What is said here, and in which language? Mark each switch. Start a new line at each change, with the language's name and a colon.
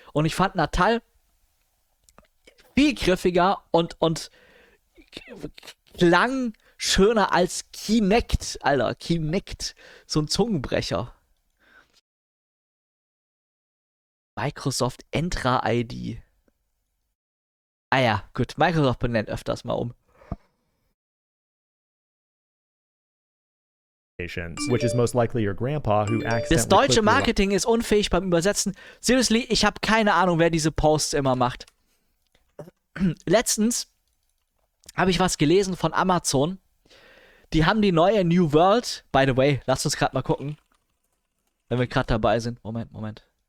German: Und ich fand Natal viel griffiger und klang schöner als Kinect, Alter. Kinect. So ein Zungenbrecher. Microsoft Entra ID. Ah ja, gut. Microsoft benennt öfters mal um.
English: Which is most likely your grandpa who accidentally.
German: Das deutsche Marketing ist unfähig beim Übersetzen. Seriously, ich habe keine Ahnung, wer diese Posts immer macht. Letztens habe ich was gelesen von Amazon. Die haben die neue New World.
English: By the way,
German: lasst uns gerade mal gucken. Wenn wir gerade dabei sind. Moment, Moment.